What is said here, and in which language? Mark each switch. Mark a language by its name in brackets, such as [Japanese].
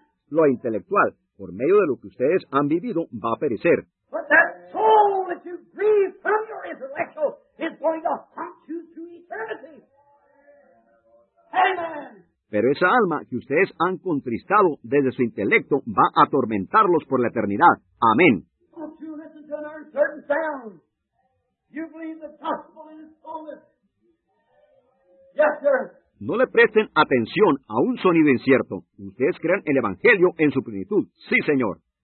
[Spanish] Lo intelectual, por medio de lo que ustedes han vivido, va a perecer. [English] But that soul that you breathe from your intellectual is going to haunt you through eternity. Amen. [Spanish] Pero esa alma que ustedes han contristado desde su intelecto va a atormentarlos por la eternidad. Amén. [English] Don't you listen to an uncertain sound? You believe the gospel in its fullness. Yes, sir. [Spanish] No le presten atención a un sonido incierto. Ustedes crean el Evangelio en su plenitud. Sí, Señor.